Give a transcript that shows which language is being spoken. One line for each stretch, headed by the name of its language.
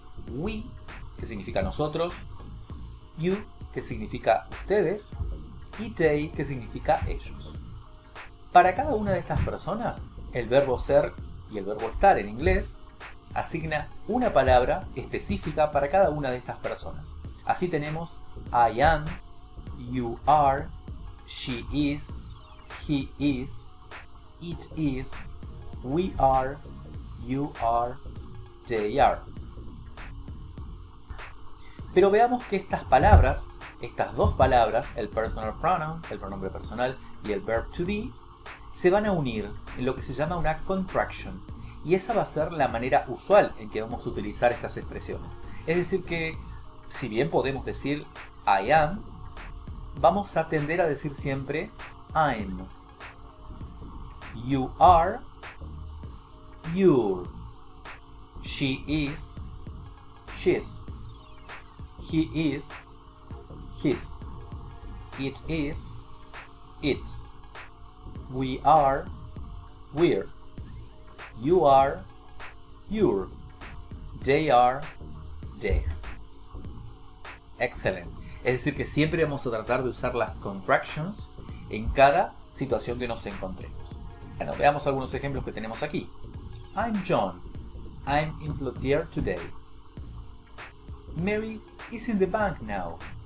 Spanish: We, que significa nosotros, you, que significa ustedes, y they, que significa ellos. Para cada una de estas personas, el verbo ser y el verbo estar en inglés asigna una palabra específica para cada una de estas personas. Así tenemos
English: I am, you are, she is, he is, it is, we are, you are, they are.
Spanish: Pero veamos que estas palabras, estas dos palabras, el personal pronoun, el pronombre personal, y el verb to be, se van a unir en lo que se llama una contraction. Y esa va a ser la manera usual en que vamos a utilizar estas expresiones. Es decir que, si bien podemos decir I am, vamos a tender a decir siempre
English: I'm. You are. You're. She is. She's. He is, his, it is, its, we are, we're, you are, your, they are, their.
Spanish: Excelente. Es decir que siempre vamos a tratar de usar las contractions en cada situación que nos encontremos. Bueno, veamos algunos ejemplos que tenemos aquí.
English: I'm John. I'm in Plotier today. Mary is in the bank now.